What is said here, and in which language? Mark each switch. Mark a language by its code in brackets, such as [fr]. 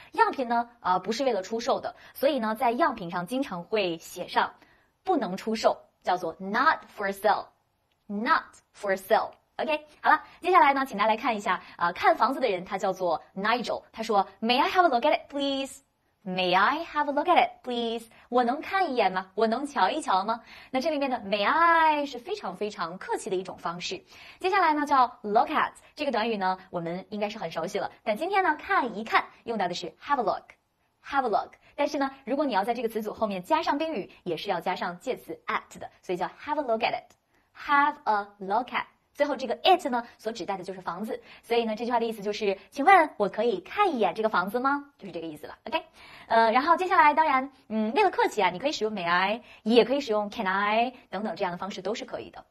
[zh] 样品呢不是为了出售的，所以呢在样品上经常会写上不能出售，叫做 [en] not for sale。 Not for sale。 [zh] OK, 好了，接下来呢请大家来看一下看房子的人他叫做 Nigel, 他说 [en] May I have a look at it, please? May I have a look at it, please? [zh] 我能看一眼吗？我能瞧一瞧吗？那这里面的 May I 是非常非常客气的一种方式。接下来呢叫 look at, 这个短语呢我们应该是很熟悉了。但今天呢看一看用到的是 have a look, have a look。但是呢如果你要在这个词组后面加上宾语也是要加上介词 at 的，所以叫 have a look at it, have a look at。最后这个 it 呢所指代的就是房子，所以呢这句话的意思就是请问我可以看一眼这个房子吗，就是这个意思了。 OK, 然后接下来当然为了客气啊，你可以使用 may I, 也可以使用 can I 等等这样的方式都是可以的。